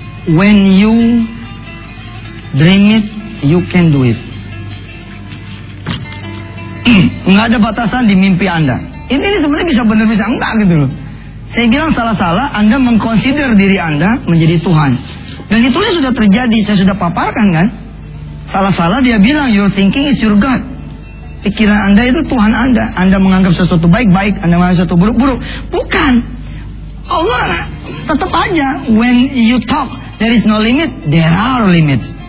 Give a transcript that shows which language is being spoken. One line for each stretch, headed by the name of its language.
English: When you dream it, you can do it.
Indonesian: Enggak ada batasan di mimpi Anda. Ini sebenarnya bisa benar bisa enggak gitu loh. Saya bilang salah-salah Anda mengconsider diri Anda menjadi Tuhan. Dan itu sudah terjadi, saya sudah paparkan kan. Salah-salah dia bilang
English: your thinking is your God.
Indonesian: Pikiran Anda itu Tuhan Anda. Anda menganggap sesuatu baik-baik, Anda menganggap sesuatu buruk-buruk. Bukan. Allah tetap aja,
English: when you talk, there is no limit, there are limits.